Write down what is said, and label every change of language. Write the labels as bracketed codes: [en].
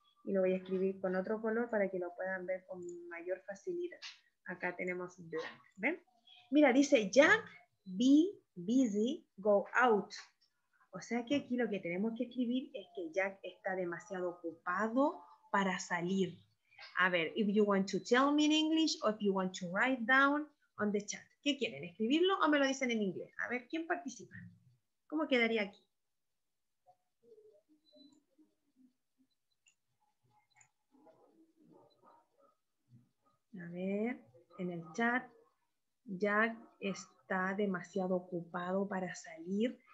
[es] Y lo voy a escribir con otro color para que lo puedan ver con mayor facilidad. Acá tenemos blank, ¿ven? Mira, dice, Jack, [en] be busy, go out. [es] O sea que aquí lo que tenemos que escribir es que Jack está demasiado ocupado para salir. [en] A ver, if you want to tell me in English or if you want to write down on the chat. [es] ¿Qué quieren, escribirlo o me lo dicen en inglés? A ver, ¿quién participa? ¿Cómo quedaría aquí? A ver, en el chat, Jack está demasiado ocupado para salir.